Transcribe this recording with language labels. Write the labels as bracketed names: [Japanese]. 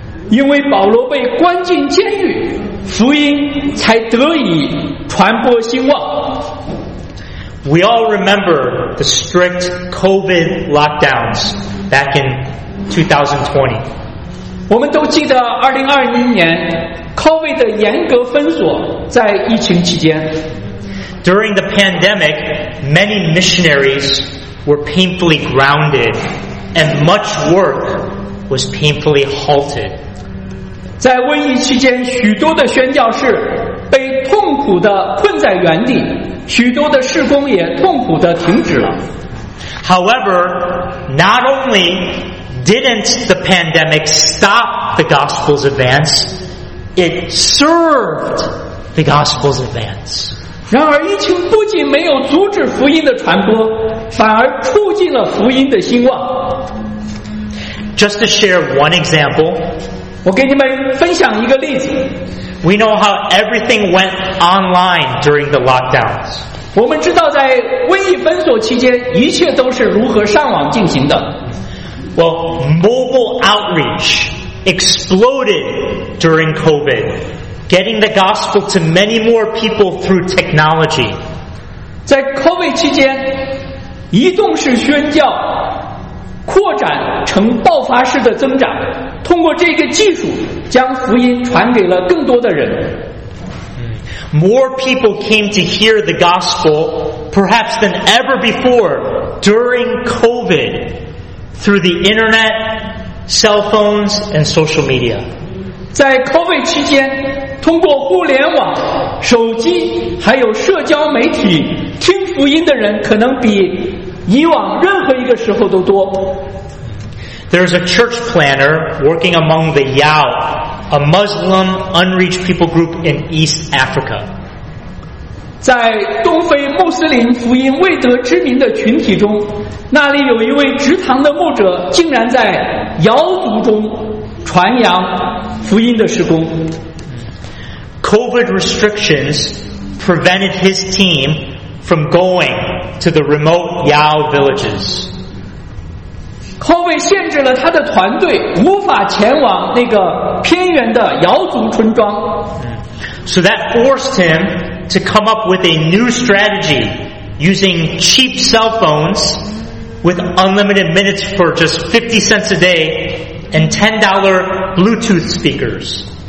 [Chinese] 因为保罗被关进监狱，福音才得以传播兴旺。 [English] We all remember the strict COVID lockdowns back in 2020. [Chinese] 我们都记得2020年 COVID 的严格封锁在疫情期间。 [English] During the pandemic, many missionaries were painfully grounded and much work was painfully halted. [Chinese] 在瘟疫期间，许多的宣教士被痛苦地困在原地，许多的事工也痛苦地停止了。 [English] However, not only didn't the pandemic stop the gospel's advance, it served the gospel's advance. [Chinese] 然而疫情不仅没有阻止福音的传播，反而促进了福音的兴旺。 [English] Just to share one example, [Chinese] 我给你们分享一个例子。 [English] We know how everything went online during the lockdowns. [Chinese] 我们知道在瘟疫封锁期间，一切都是如何上网进行的。 [English] Well, mobile outreach exploded during COVID, getting the gospel to many more people through technology. [Chinese] 在 COVID 期间，移动式宣教扩展成爆发式的增长，通过这个技术将福音传给了更多的人。 [English] More people came to hear the gospel perhaps than ever before during COVID through the internet, cell phones, and social media. [Chinese] 在 COVID 期间，通过互联网、手机还有社交媒体听福音的人可能比以往任何一个时候都多。 [English] There's a church planner working among the Yao, a Muslim unreached people group in East Africa. [Chinese] 在东非穆斯林福音未得知名的群体中，那里有一位职堂的牧者竟然在瑶族中传扬福音的施工。 [English] COVID restrictions prevented his team from going to the remote Yao villages. [Chinese] COVID 限制了他的团队无法前往那个偏远的瑶族村庄。 [English] So that forced him to come up with a new strategy using cheap cell phones with unlimited minutes for just 50 cents a day and $10 Bluetooth speakers.